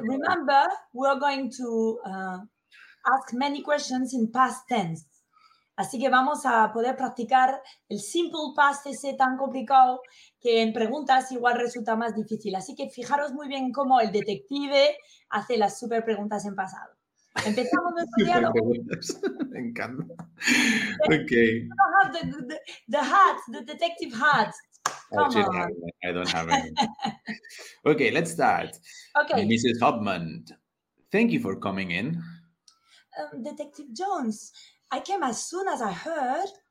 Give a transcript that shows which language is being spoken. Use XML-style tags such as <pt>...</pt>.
<en>Remember, we're going to ask many questions in past tense.</en> <es>Así que vamos a poder practicar el simple past ese tan complicado que en preguntas igual resulta más difícil. Así que fijaros muy bien cómo el detective hace las super preguntas en pasado. Empezamos nuestro diálogo. Me encanta.</es> <en>Okay. I have the hat, the detective hat. Come on. I don't have any. Okay, let's start. Okay. Mrs. Hoffman, thank you for coming in. Detective Jones, I came as soon as I heard.</en>